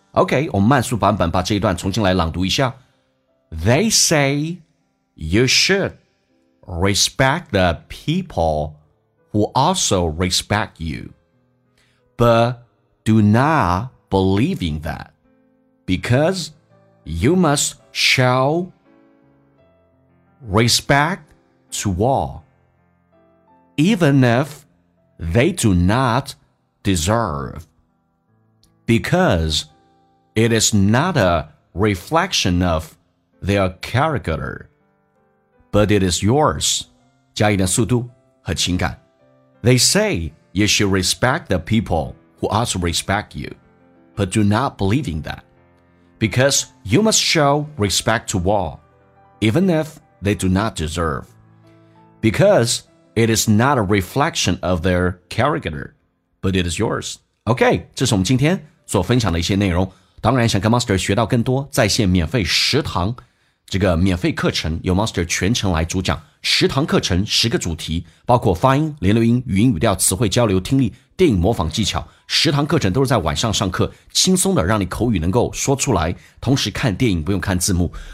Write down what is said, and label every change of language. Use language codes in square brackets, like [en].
[zh] OK, 我们慢速版本把这一段重新来朗读一下。 [en] They say you should respect the people who also respect you, but do not believe in that, because you must show respect to all, even if they do not deserve, because it is not a reflection of their character, but it is yours. [zh] 加一点速度和情感。 [en] They say you should respect the people who also respect you, but do not believe in that, because you must show respect to all, even if they do not deserve, because it is not a reflection of their character, but it is yours. [zh] OK, 这是我们今天所分享的一些内容。当然想跟 Master 学到更多在线免费食堂这个免费课程，由 Master 全程来主讲，十堂课程，十个主题，包括发音、连留音、语音语调、词汇交流、听力、电影模仿技巧。十堂课程都是在晚上上课，轻松的让你口语能够说出来，同时看电影不用看字幕。